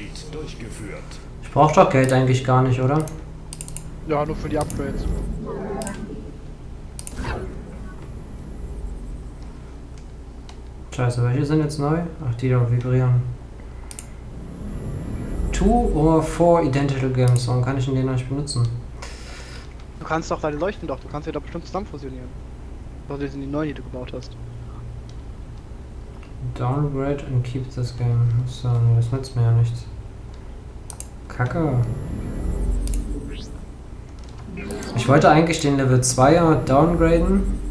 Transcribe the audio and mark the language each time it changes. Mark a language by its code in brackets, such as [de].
[de] Durchgeführt. Ich brauche doch Geld eigentlich gar nicht, oder? Ja, nur für die Upgrades. Scheiße, welche sind jetzt neu? Ach, die da vibrieren. [en] Two or four identical games. [de] Warum kann ich denn den noch nicht benutzen? Du kannst doch deine Leuchten doch. Du kannst ja doch bestimmt zusammen fusionieren. Das sind die neuen, die du gebaut hast. [en] Downgrade and keep this game. [de] So, nee, das nützt mir ja nichts. Kacke. Ich wollte eigentlich den Level 2er downgraden.